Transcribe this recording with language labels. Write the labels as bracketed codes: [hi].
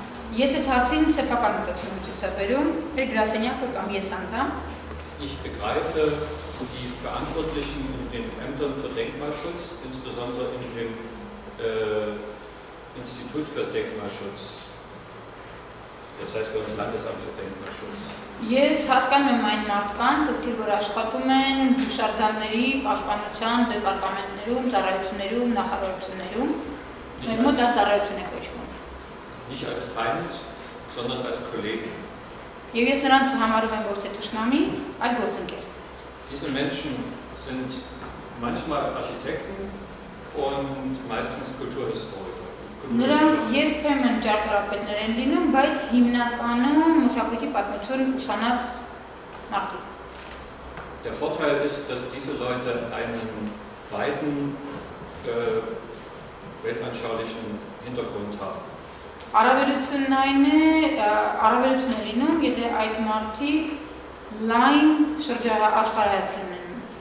[de] Ich begreife die Verantwortlichen in den Ämtern für Denkmalschutz, insbesondere in dem Institut für Denkmalschutz, Das heißt, bei uns Landesamt für Denkmalschutz. [hy] Ես հասկանում եմ այն մարդկանց, ովքեր որ աշխատում են հուշարձանների պաշտպանության դեպարտամենտներում, ծառայություններում, նախարարություններում, մեր մոտ դա ծառայություն է կոչվում։ [de] Nicht als Feind, sondern als Kollege. [hy] Եվ ես նրանց համարում եմ ոչ թե թշնամի, այլ գործընկեր։ [de] Diese Menschen sind manchmal Architekten und meistens Kulturhistoriker. [hy] Նրանք երբեմն ճարտարապետներ են լինում, բայց հիմնականում մշակույթի պատմություն ուսանած մարդիկ։ [de] Der Vorteil ist, dass diese Leute einen weiten weltanschaulichen Hintergrund haben. [hy] Առավելությունն այն է, առավելությունը լինում, եթե այդ մարդիկ լայն շրջակա աշխարհայացք ունեն։